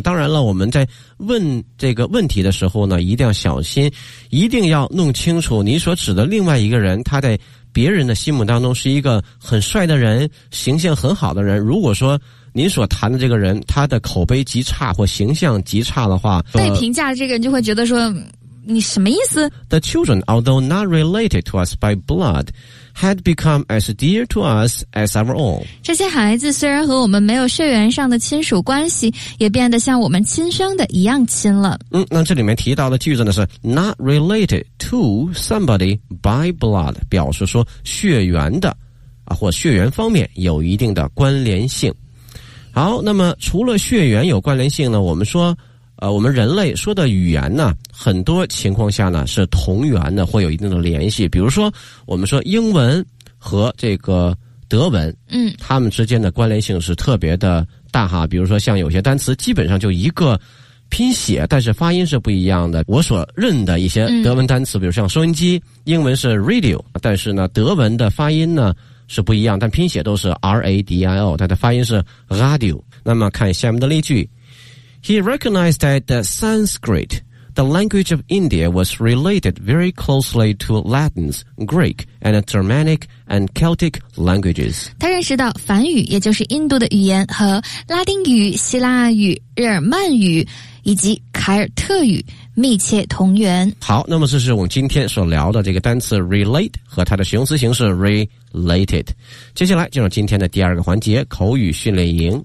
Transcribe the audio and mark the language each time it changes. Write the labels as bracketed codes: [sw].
[zh] 当然了，我们在问这个问题的时候呢，一定要小心，一定要弄清楚你所指的另外一个人，他在别人的心目当中是一个很帅的人，形象很好的人。如果说您所谈的这个人，他的口碑极差或形象极差的话，被评价的这个人就会觉得说，你什么意思？ [en] The children, although not related to us by blood, had become as dear to us as our own. [zh] 这些孩子虽然和我们没有血缘上的亲属关系，也变得像我们亲生的一样亲了。嗯，那这里面提到的句子呢是 [en] not related to somebody by blood， [zh] 表示说血缘的啊或血缘方面有一定的关联性。好，那么除了血缘有关联性呢，我们说我们人类说的语言呢，很多情况下呢是同源的，会有一定的联系。比如说我们说英文和这个德文，嗯，他们之间的关联性是特别的大哈。比如说像有些单词基本上就一个拼写，但是发音是不一样的。我所认的一些德文单词，比如像收音机，英文是 radio， 但是呢德文的发音呢是不一样，但拼写都是 radio， 它的发音是 radio。那么看下面的例句， [en] He recognized that the Sanskrit, the language of India, was related very closely to Latin, Greek, and Germanic and Celtic languages. [zh] 他认识到梵语，也就是印度的语言，和拉丁语、希腊语、日耳曼语以及凯尔特语密切同源。好，那么这是我们今天所聊的这个单词 relate 和它的形容词形式 related。接下来进入今天的第二个环节，口语训练营